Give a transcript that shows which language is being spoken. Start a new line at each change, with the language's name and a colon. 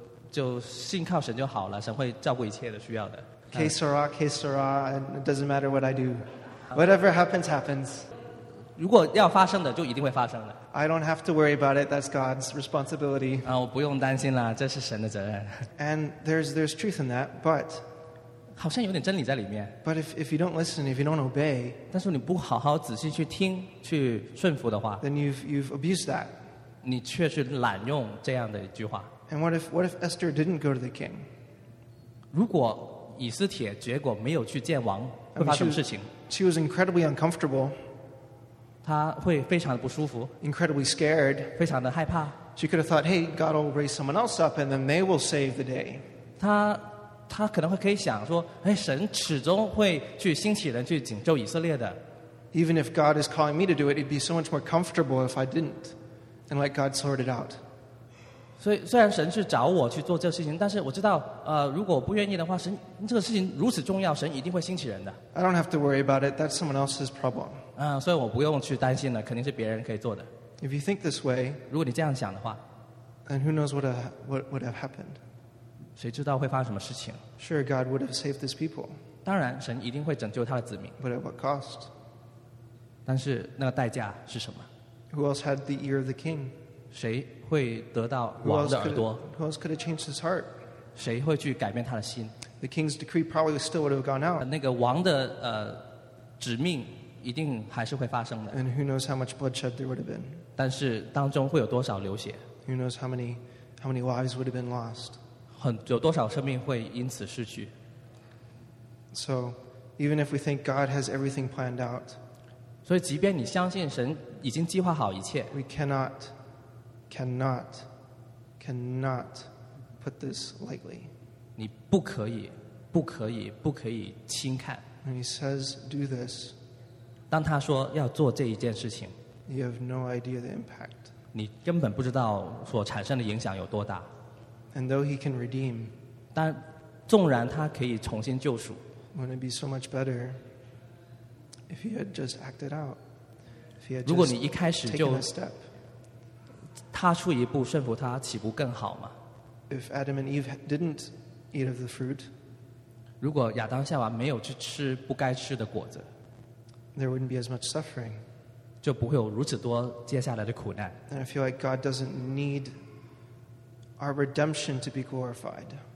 Chinese: 就信靠神就好了, 神会照顾一切的需要的。
English: K-Sara, it doesn't matter what I do. Whatever happens, happens.
Chinese: 如果要发生的就一定会发生的。
English: I don't have to worry about it, that's God's responsibility.
Chinese: 我不用担心了, 这是神的责任。
English: And there's truth in that, but...
Chinese: 好像有点真理在里面。
English: But if you don't listen, if you don't obey,
Chinese: 但是你不好好仔细去听, 去顺服的话,
English: then you've abused that.
Chinese: 你却是滥用这样的一句话。
English: And what if Esther didn't go to the king?
Chinese: 如果以斯帖结果没有去见王, 会发生什么事情?
English: She was incredibly uncomfortable.
Chinese: 她会非常的不舒服,
English: incredibly scared.
Chinese: 非常的害怕。
English: She could have thought, hey, God will raise someone else up and then they will save the day.
Chinese: 她可能会可以想说, 哎, 神始终会去兴起人去拯救以色列的。
English: Even if God is calling me to do it, it'd be so much more comfortable if I didn't and let God sort it out.
Chinese: 虽然神是找我去做这个事情, 但是我知道, 如果我不愿意的话, 神, 这个事情如此重要, 神一定会兴起人的。
English: I don't have to worry about it, that's someone else's problem.
Chinese: 所以我不用去担心了, 肯定是别人可以做的。
English: If you think this way,
Chinese: 如果你这样想的话,
English: then who knows what would have happened?
Chinese: 谁知道会发生什么事情?
English: Sure, God would have saved his people.
Chinese: 当然,神一定会拯救他的子民。
English: But at what cost?
Chinese: 但是那个代价是什么?
English: Who else had the ear of the king?
Chinese: 谁会得到王的耳朵?
English: Who else could have changed his heart?
Chinese: 谁会去改变他的心?
English: The king's decree probably still would have gone out.
Chinese: 那个王的指命一定还是会发生的。
English: And who knows how much bloodshed there would have been?
Chinese: 但是当中会有多少流血?
English: Who knows how many lives would have been lost?
Chinese: 有多少生命会因此失去?
English: So, even if we think God has everything planned out,
Chinese: 所以即便你相信神已经计划好一切,
English: we cannot put this lightly.
Chinese: 你不可以轻看。
English: When he says, do this,
Chinese: 当他说要做这一件事情,
English: you have no idea the impact.
Chinese: 你根本不知道所产生的影响有多大。
English: And though he can redeem,
Chinese: 但纵然他可以重新救赎,
English: wouldn't it be so much better if he had just acted out? If he had just taken a step?
Chinese: 踏出一步顺服他, 岂不更好吗?
English: If Adam and Eve didn't eat of the fruit,
Chinese: 如果亚当夏娃没有去吃不该吃的果子,
English: there wouldn't be as much suffering.
Chinese: 就不会有如此多接下来的苦难。
English: And I feel like God doesn't need our redemption to be glorified.